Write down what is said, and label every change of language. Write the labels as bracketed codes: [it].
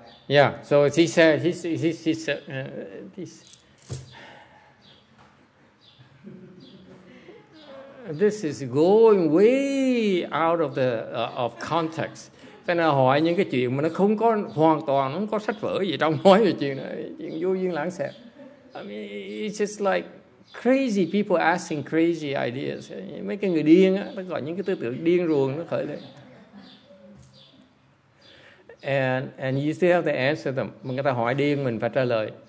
[en] Yeah, so he said, this is going way out of the of context. [vi] Cái nào hỏi những cái chuyện mà nó không có hoàn toàn, nó không có sách vở gì trong nói về chuyện này, chuyện vô duyên lãng xẹt. [en] I mean, it's just like crazy people asking crazy ideas. [vi] Mấy cái người điên á, nó gọi những cái tư tưởng điên ruồng nó khởi lên. [en] And you still have to answer them. [vi] Mà người ta hỏi điên mình phải trả lời.